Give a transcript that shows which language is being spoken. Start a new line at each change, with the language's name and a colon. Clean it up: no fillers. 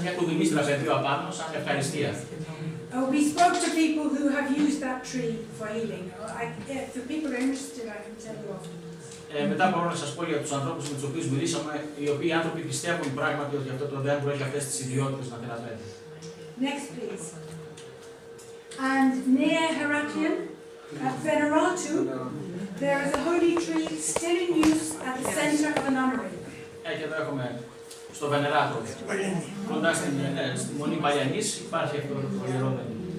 Greek: μια κουδουνή στραπεδίου απάνω σαν ευχαριστία.
English: We spoke to people who have used that tree for healing. If people are interested, I can tell you afterwards.
Greek: Μετά μπορώ να σας πω για τους ανθρώπους με τους οποίους μιλήσαμε, οι οποίοι άνθρωποι πιστεύουν πράγματι ότι αυτό το δέντρο έχει αυτές τις ιδιότητες να θεραπεύει.
English: Next, please. And near Heraklion, at Veneratu, there is a holy tree still in use at the center of a nunnery.
Greek: Και εδώ έχουμε. Στο Βενεράτο, κοντά στη Μονή Παλιανής, υπάρχει αυτό το φωλιερό δέντρο.